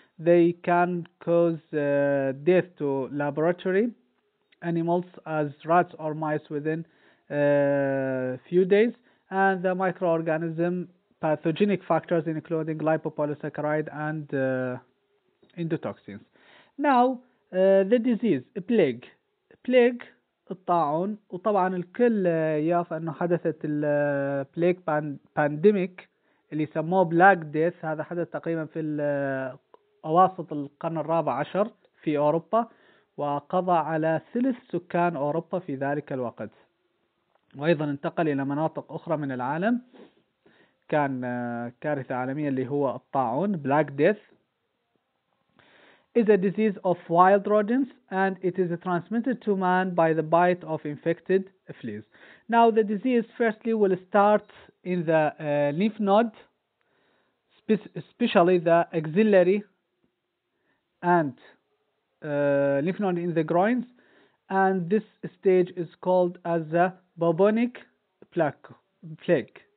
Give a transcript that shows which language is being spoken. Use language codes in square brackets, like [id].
[en] They can cause death to laboratory animals as rats or mice within a few days. And the microorganism pathogenic factors including lipopolysaccharide and endotoxins. Now, the disease, plague. [ar] الطاعون وطبعا الكل يعرف انه حدثت [en] البليك بانديميك [ar] اللي سموه [en] Black death. [ar] هذا حدث تقريبا في اواسط القرن الرابع عشر في اوروبا وقضى على ثلث سكان اوروبا في ذلك الوقت, وايضا انتقل الى مناطق اخرى من العالم. كان كارثة عالمية اللي هو الطاعون, [en] Black death. Is a disease of wild rodents, and it is transmitted to man by the bite of infected fleas. Now, the disease firstly will start in the lymph node, especially the axillary and lymph node in the groins, and this stage is called as the bubonic plague.